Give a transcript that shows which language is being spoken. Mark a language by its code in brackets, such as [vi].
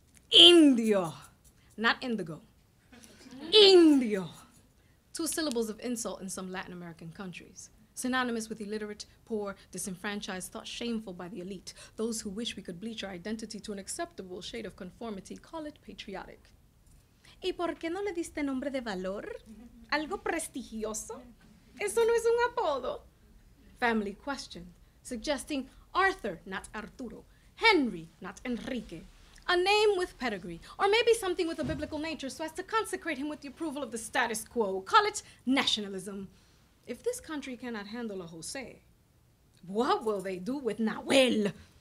[en] Indio, not indigo. Indio. Two syllables of insult in some Latin American countries, synonymous with illiterate, poor, disenfranchised, thought shameful by the elite, those who wish we could bleach our identity to an acceptable shade of conformity, call it patriotic. [es] ¿Y por qué no le diste nombre de valor? ¿Algo prestigioso? ¿Eso no es un apodo? [en] Family questioned, suggesting Arthur, not Arturo, Henry, not Enrique, a name with pedigree, or maybe something with a biblical nature so as to consecrate him with the approval of the status quo. Call it nationalism. If this country cannot handle a Jose, what will they do with Nahuel?